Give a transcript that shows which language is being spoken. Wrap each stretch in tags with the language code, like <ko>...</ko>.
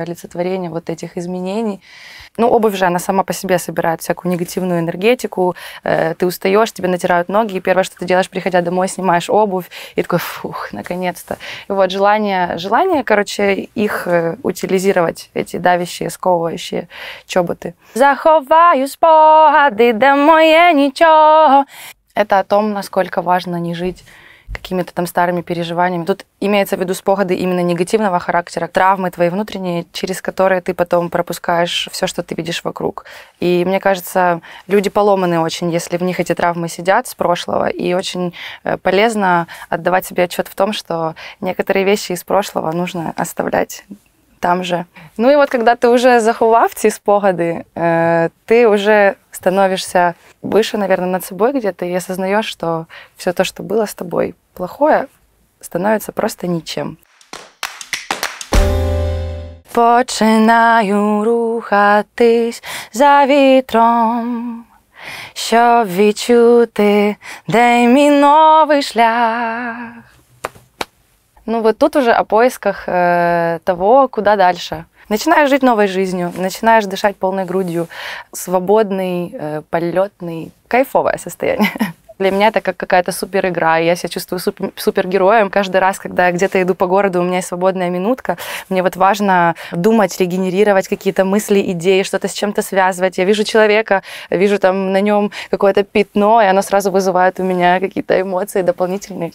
<ru>Олицетворение вот этих изменений. Ну, обувь же, она сама по себе собирает всякую негативную энергетику. Ты устаешь, тебе натирают ноги, и первое, что ты делаешь, приходя домой, снимаешь обувь, и такой: «Фух, наконец-то». И вот желание, короче, их утилизировать, эти давящие, сковывающие чоботы.</ru> <uk>«Заховаю спогади, де моє нічого».</uk> <ru>Это о том, насколько важно не жить какими-то там старыми переживаниями. Тут имеется в виду спогады именно негативного характера, травмы твои внутренние, через которые ты потом пропускаешь все, что ты видишь вокруг. И мне кажется, люди поломаны очень, если в них эти травмы сидят с прошлого. И очень полезно отдавать себе отчет в том, что некоторые вещи из прошлого нужно оставлять там же. Ну и вот когда ты уже</ru> <uk>заховав ці спогади,</uk> <ru>ты уже становишься выше, наверное, над собой где-то и осознаешь, что все то, что было с тобой плохое, становится просто ничем.</ru> <uk>Починаю рухатись за вітром, щоб відчути, де мій новий шлях.</uk> <ru>Ну вот тут уже о поисках того, куда дальше. начинаешь жить новой жизнью, начинаешь дышать полной грудью, свободный, полетный, кайфовое состояние. Для меня это как какая-то супер игра, я себя чувствую супергероем. Каждый раз, когда я где-то иду по городу, у меня есть свободная минутка, мне вот важно думать, регенерировать какие-то мысли, идеи, что-то с чем-то связывать. Я вижу человека, вижу там на нем какое-то пятно, и оно сразу вызывает у меня какие-то эмоции дополнительные.</ru>